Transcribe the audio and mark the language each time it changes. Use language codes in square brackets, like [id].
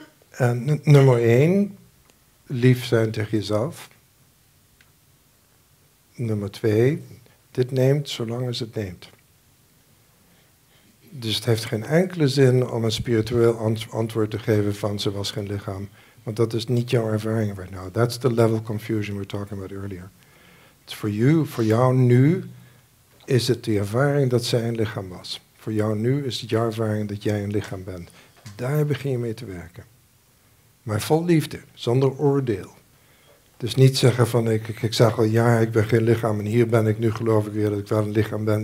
[nl] En nummer 1, lief zijn tegen jezelf. Nummer 2, dit neemt zolang als het neemt. Dus het heeft geen enkele zin om een spiritueel antwoord te geven van ze was geen lichaam. Want dat is niet jouw ervaring [en] right now. That's the level of confusion we were talking about earlier. It's for you, [nl] voor jou nu, is het de ervaring dat zij een lichaam was. Voor jou nu is het jouw ervaring dat jij een lichaam bent. Daar begin je mee te werken. Maar vol liefde, zonder oordeel. Dus niet zeggen van, ik zeg al, ja, ik ben geen lichaam en hier ben ik, nu geloof ik weer dat ik wel een lichaam ben.